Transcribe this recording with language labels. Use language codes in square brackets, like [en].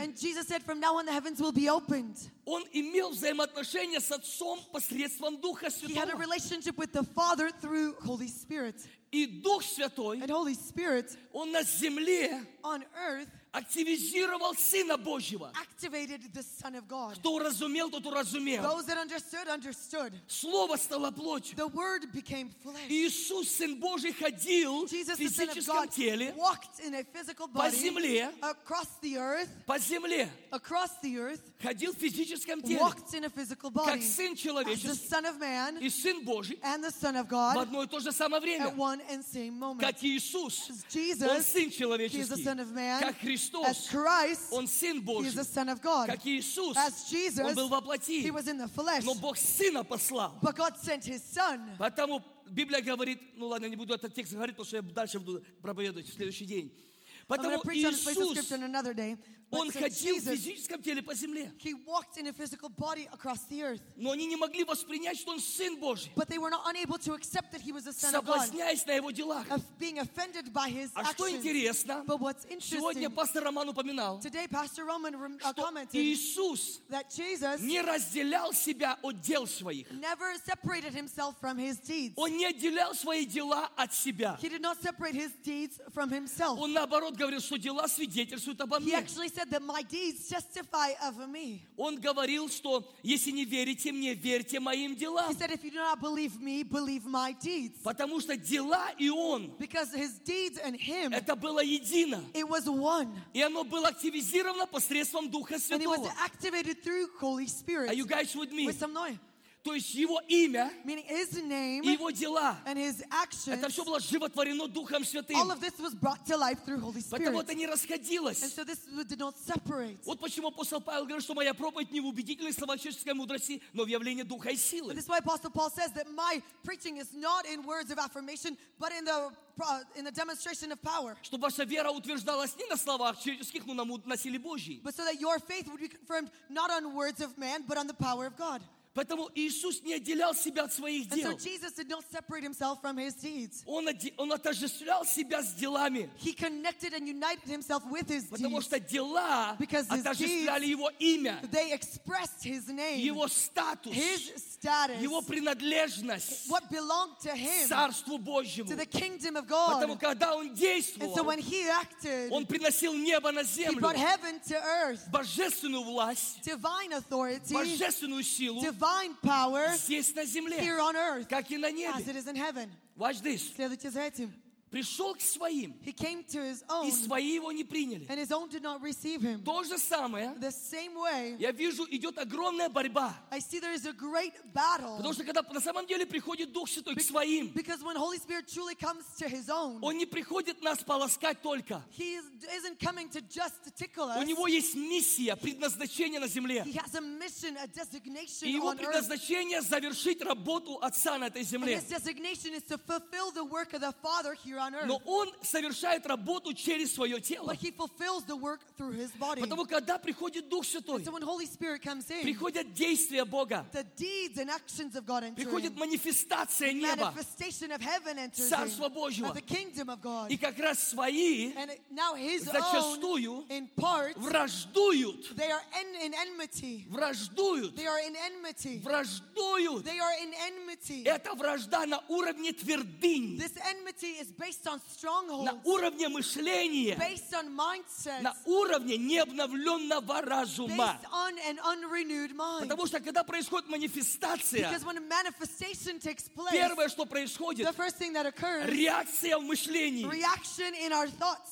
[en] And Jesus said, from now on the heavens will be opened. [ru] Он имел взаимоотношения с Отцом посредством Духа Святого. [en] He had a relationship with the Father through Holy Spirit. [ru] И Дух Святой [en] And Holy Spirit, [ru] он на земле [en] on earth, [ru] активизировал Сына Божьего. [en] Activated the Son of God. [ru] Кто уразумел, тот уразумел. [en] Those that understood, understood. [ru] Слово стало плотью. [en] The word became flesh. [ru] Иисус, Сын Божий, ходил [en] Jesus, [ru] в физическом теле [en] walked in a physical body, [ru] по земле. [en] Across the earth, [ru] по земле. [en] Across the earth, [ru] ходил в физическом теле. [en] Walked in a physical body, [ru] как Сын человеческий. [en] As the Son of Man, [ru] и Сын Божий. [en] And the Son of God, [ru] в одно и то же самое время. [en] At one and same moment. [ru] Как Иисус. [en] As Jesus, [ru] он Сын человеческий. [en] He is the Son of Man, [ru] как Христос. [en] As Christ, [ru] он Сын Божий. [en] He is the Son of God. [ru] Как Иисус, [en] As Jesus, [ru] он был во плоти. [en] He was in the flesh. [ru] Но Бог Сына послал. [en] But God sent His Son. [ru] Поэтому Библия говорит, ну ладно, не буду этот текст говорить, потому что я дальше буду проповедовать в следующий день. Потому Иисус, [en] day, [ru] он ходил [en] Jesus, [ru] в физическом теле по земле. [en] He walked in a physical body across the earth. [ru] Но они не могли воспринять, что он Сын Божий. [en] But they were not unable to accept that he was the Son of God. [ru] Соблазняясь на его делах. [en] Of being offended by his actions. [ru] А что интересно? [en] But what's interesting, [ru] сегодня пастор Роман упоминал, [en] today Pastor Roman commented, [ru] Иисус [en] that Jesus [ru] не разделял себя от дел своих. [en] Never separated himself from his deeds. [ru] Он не отделял свои дела от себя. [en] He did not separate his deeds from himself. [ru] Он наоборот говорил, что дела свидетельствуют обо мне. [en] He actually said that my deeds justify of me. [ru] Он говорил, что если не верите мне, верьте моим делам. [en] He said, if you do not believe me, believe my deeds. [ru] Потому что дела и он. [en] Because his deeds and him. [ru] Это было едино. [en] It was one. [ru] И оно было активизировано посредством Духа Святого. [en] And it was activated through Holy Spirit. Are you guys with me? With some noise. [ru] То есть его имя, [en] meaning his name, [ru] и его дела, [en] and his actions, [ru] это все было животворено Духом Святым. [en] All of this was brought to life through Holy Spirit. [ru] Потому это не расходилось. [en] And so this did not separate. [ru] Вот почему апостол Павел говорит, что моя проповедь не в убедительной словоческой мудрости, но в явлении Духа и силы. [en] This is why Apostle Paul says that my preaching is not in words of affirmation, but in the demonstration of power. [ru] Чтобы ваша вера утверждалась не на словах человеческих, но на силе Божьей. [en] But so that your faith would be confirmed not on words of man, but on the power of God. [ru] Поэтому Иисус не отделял себя от своих дел. [en] And so Jesus did not separate himself from his deeds. [ru] Он отождествлял себя с делами. [en] He connected and united himself with his deeds. [ru] Потому что дела отождествляли его имя. [en] They expressed his name. [ru] Его статус. [en] His status. [ru] Его принадлежность. [en] What belonged to him. [ru] Царству Божьему. [en] To the kingdom of God. [ru] Потому когда он действовал. [en] And so when he acted. [ru] Он приносил небо на землю. [en] He brought heaven to earth. [ru] Божественную власть. [en] Divine authority. [ru] Божественную силу. [en] Divine power [ru] здесь, на земле, [en] here on earth, [ru] как и на небе. [en] As it is in heaven. Watch this. [ru] Следуйте за этим. Пришел к своим, [en] he came to his own, [ru] и свои его не приняли. [en] And his own did not receive him. [ru] То же самое, [en] the same way, [ru] я вижу, идет огромная борьба. [en] I see there is a great battle, [ru] потому что когда на самом деле приходит Дух Святой к своим, [en] because when Holy Spirit truly comes to his own, [ru] он не приходит нас полоскать только. [en] He isn't coming to just to tickle us. [ru] У него есть миссия, предназначение на земле. [en] He has a mission, a designation [ru] и его предназначение [en] on earth. [ru] Завершить работу Отца на этой земле. [en] And his designation is to fulfill the work of the Father here on earth. on earth. [ru] Но он совершает работу через свое тело. [en] But he fulfills the work through his body. [ru] Потому когда приходит Дух Святой, [en] and so when Holy Spirit comes in, [ru] приходят действия Бога, [en] the deeds and actions of God enter in, [ru] приходит манифестация [en] the [ru] неба, [en] manifestation of heaven enters in, [ru] царство Божьего, [en] the kingdom of God. [ru] И как раз свои, [en] and now his [ru] зачастую, [en] own, in part, [ru] враждуют, [en] they are in enmity, [ru] враждуют, [en] they are in enmity, [ru] враждуют, [en] they are in enmity. [ru] Это вражда на уровне твердынь. [en] This enmity is based on strongholds. [ru] На уровне мышления. [en] Based on mindset. [ru] На уровне необновленного разума. [en] Based on an unrenewed mind. [ru] Потому что когда происходит манифестация, [en] because when a manifestation takes place, [ru] первое, что происходит, [en] the first thing that occurs, [ru] реакция в мышлении. [en] Reaction in our thoughts.